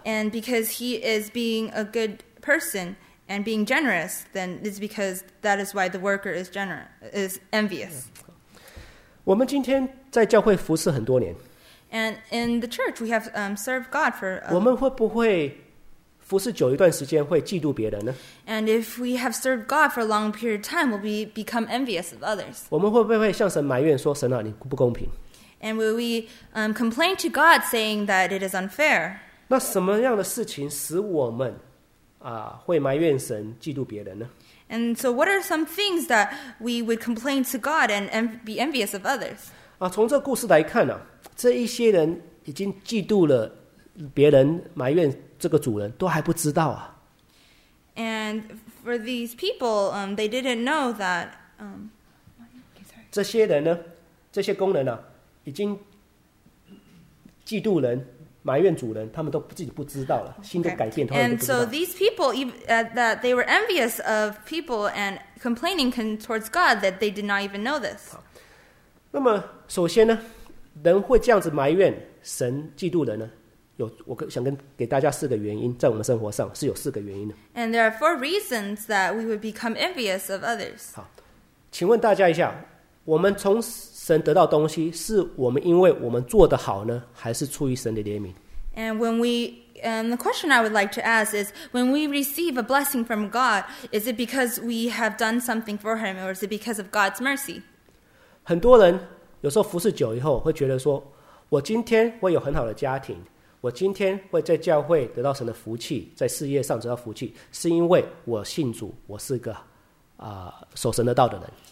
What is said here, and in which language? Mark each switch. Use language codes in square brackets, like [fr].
[en] And because he is being a good person and being generous, then it's because that is why the worker is generous, is envious. [zh] 我们今天在教会服侍很多年。 [en] And in the church, we have served God for [zh] a... 我们会不会服侍久一段时间会嫉妒别人呢？ [en] And if we have served God for a long period of time, will we become envious of others? [zh] 我们会不会向神埋怨说，神啊，你不公平？ [en] And will we complain to God saying that it is unfair? [zh] 那什么样的事情使我们会埋怨神嫉妒别人呢？ [en] And so what are some things that we would complain to God and be envious of others? [zh] 从这故事来看啊，这一些人已经嫉妒了别人，埋怨这个主人，都还不知道啊。 [en] And for these people, they didn't know that. Sorry. [zh] 这些人呢，这些工人啊，已经嫉妒人，埋怨主人，他们都自己不知道了， [en] okay. [zh] 心都改变，他们都不知道。 [en] And so these people, that they were envious of people and complaining towards God, that they did not even know this. [zh] 那么首先呢，人会这样子埋怨神嫉妒人呢，有我想跟给大家四个原因，在我们生活上是有四个原因的。 [en] And there are four reasons that we would become envious of others. [zh] 好，请问大家一下，我们从神得到东西，是我们因为我们做得好呢，还是出于神的怜悯？ [en] And when we, and the question I would like to ask is, when we receive a blessing from God, is it because we have done something for Him, or is it because of God's mercy? [zh] 很多人有时候服侍久以后会觉得说，我今天会有很好的家庭，我今天会在教会得到神的福气，在事业上得到福气，是因为我信主，我是个守神的道的人。